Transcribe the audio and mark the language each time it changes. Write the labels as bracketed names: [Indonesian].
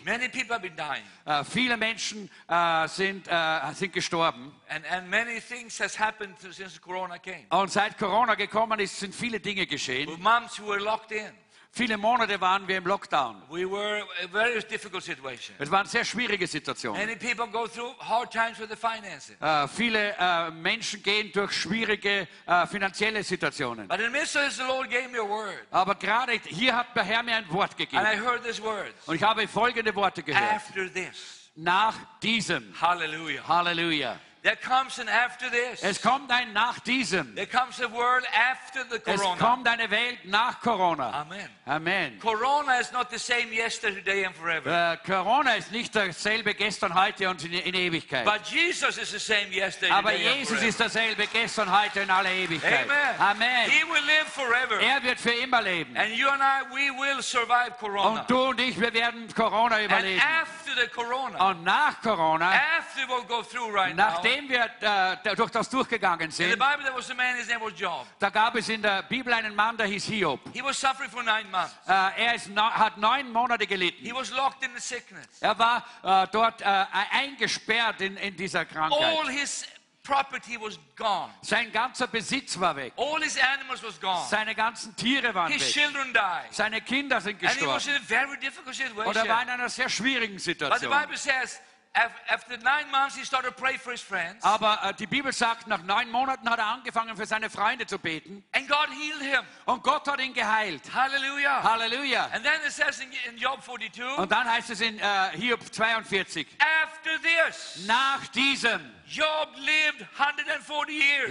[English] Many people have been dying. [German] Viele Menschen sind gestorben. [English] And many things has happened since Corona came. [German] Und seit Corona gekommen ist, sind viele Dinge geschehen. [English] With moms who were locked in. [German] Viele Monate waren wir im Lockdown. [English] We were a very difficult situation. [German] Es waren sehr schwierige Situationen. [English] Many people go through hard times with the finances. [German] Viele Menschen gehen durch schwierige finanzielle Situationen. [English] But in the midst of this, the Lord gave me a word. [German] Aber gerade hier hat der Herr mir ein Wort gegeben. [English] And I heard these words. [German] Und ich habe folgende Worte gehört. [English] After this. [German] Nach diesem. [English] Hallelujah. [German] Hallelujah. [English] There comes an after this. [German] Es kommt ein nach diesem. [English] There comes a world after the Corona. [German] Es kommt eine Welt nach Corona. [English] Amen. [German] Amen. [English] Corona is not the same yesterday, today and forever. [German] Corona ist nicht dasselbe gestern, heute und in Ewigkeit. [English] But Jesus is the same yesterday, [German] aber [English] today [German] Jesus [English] and forever. [German] Ist dasselbe gestern, heute und alle Ewigkeit. [English] Amen. [German] Amen. [English] He will live forever. [German] Er wird für immer leben. [English] And you and I, we will survive Corona. [German] Und du und ich, wir werden Corona überleben. [English] And after the Corona. [German] Und nach Corona. [English] After we'll go through right now. [German] Nachdem wir durch das durchgegangen sind, [English] in the Bible, there was a man, his name was Job. [German] Da gab es in der Bibel einen Mann, der hieß Hiob. [English] He was suffering for 9 months. [German] Hat 9 Monate gelitten. [English] He was locked in the sickness. [German] Er war dort eingesperrt in dieser Krankheit. [English] All his property was gone. [German] Sein ganzer Besitz war weg. [English] All his animals was gone. [German] Seine ganzen Tiere waren [English] his [German] weg. [English] His children died. [German] Seine Kinder sind gestorben. [English] And he was in a very difficult situation. [German] Und er war in einer sehr schwierigen Situation. [English] But the Bible says, after 9 months, he started to pray for his friends. [German] Aber die Bibel sagt, nach 9 Monaten hat angefangen, für seine Freunde zu beten. [English] And God healed him. [German] Und Gott hat ihn geheilt. [English] Hallelujah. [German] Hallelujah. [English] And then it says in Job 42. [German] Und dann heißt es in Hiob 42. [English] After this. [German] Nach diesem. [English] Job lived 140 years.